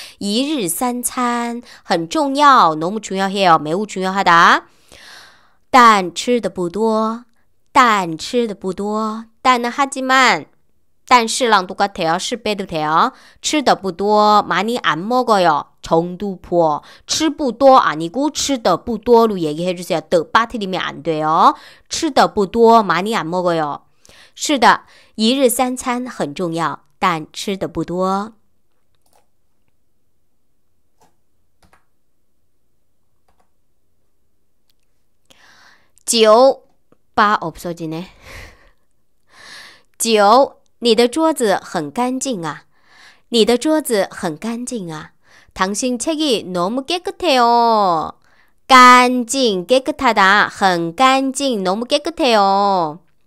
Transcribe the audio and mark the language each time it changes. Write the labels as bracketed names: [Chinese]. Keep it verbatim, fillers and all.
[Chinese] 一日三餐, 很重要, [Korean] 너무 중요해요. 매우 중요하다. [Chinese] 但吃得不多, 但吃得不多. 但 [Korean] 하지만 但是랑 똑같아요. 시 빼도 돼요. [Chinese] 吃的不多, [Korean] 많이 안 먹어요. 정두포. [Chinese] 吃不多 [Korean] 아니고 [Chinese] 吃的不多 [Korean] 로 얘기해 주세요. 더 빠뜨리면 안 돼요. [Chinese] 吃的不多, [Korean] 많이 안 먹어요. [Chinese] 是的,一日三餐很重要,但吃的不多. [Korean] 구, 바 없어지네. [Chinese] 구, 你的桌子很干净啊你的桌子很干净啊. [Korean] 당신 책이 너무 깨끗해요. 깐징 깨끗하다, [Chinese] 很干净 [Korean] 너무 깨끗해요.